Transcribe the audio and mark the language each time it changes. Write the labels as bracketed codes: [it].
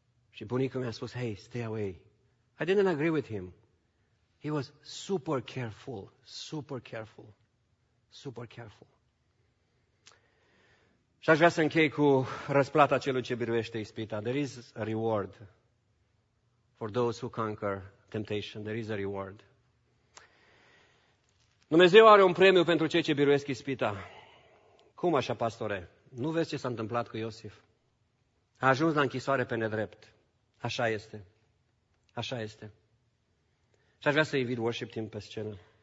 [ro] Și bunicul mi-a spus, [en] hey, stay away. I didn't agree with him. He was super careful, super careful, super careful. [ro] Și aș vrea să închei cu răsplata celui ce biruiește ispita. [en] There is a reward for those who conquer temptation. There is a reward. [ro] Dumnezeu are un premiu pentru cei ce biruiesc ispita. Cum așa, pastore? Nu vezi ce s-a întâmplat cu Iosif? A ajuns la închisoare pe nedrept. Așa este. Așa este. Și aș vrea să invit worship team pe scenă.